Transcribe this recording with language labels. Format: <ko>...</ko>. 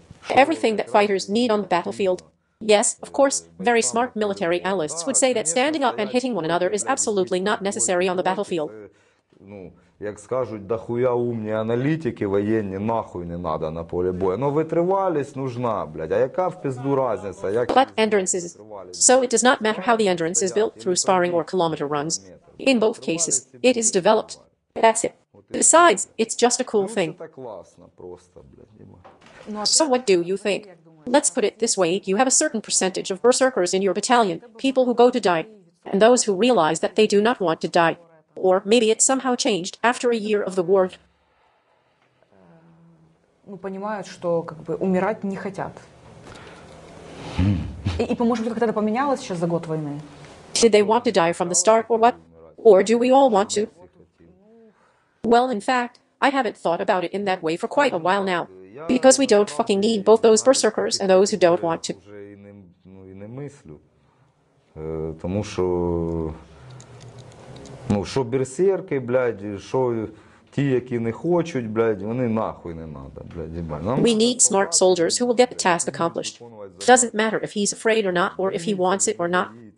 <en>Everything that fighters need on the battlefield. Yes, of course, very smart military analysts would say that standing up and hitting one another is absolutely not necessary on the battlefield.</en> <uk>Ну, як скажуть, да хуя умні аналітики воєнні, нахуй не надо на полі бою. Ну, витривалість нужна, блядь. А яка в пизду разниця? Як</uk> <en>But endurance is... So it does not matter how the endurance is built through sparring or kilometer runs. In both cases, it is developed. That's it. Besides, it's just a cool thing.</en> <uk>Це так класно просто, блядь.</uk> <en>So what do you think? Let's put it this way, you have a certain percentage of berserkers in your battalion, people who go to die, and those who realize that they do not want to die. Or maybe it somehow changed after a year of the war.</en> <ru>Ну, понимают, что как бы умирать не хотят. И по-моему, это когда-то поменялось сейчас за год войны.</ru> <en>Did they want to die from the start or what? Or do we all want to? Well, in fact, I haven't thought about it in that way for quite a while now. Because we don't fucking need both those berserkers and those who don't want to.</en> <uk>Ну і не мислю. Тому що ну, що берсерки, блядь, що ті, які не хочуть, блядь, вони нахуй не надо, блядь,</uk> <en>We need smart soldiers who will get the task accomplished. Doesn't matter if he's afraid or not or if he wants it or not.</en>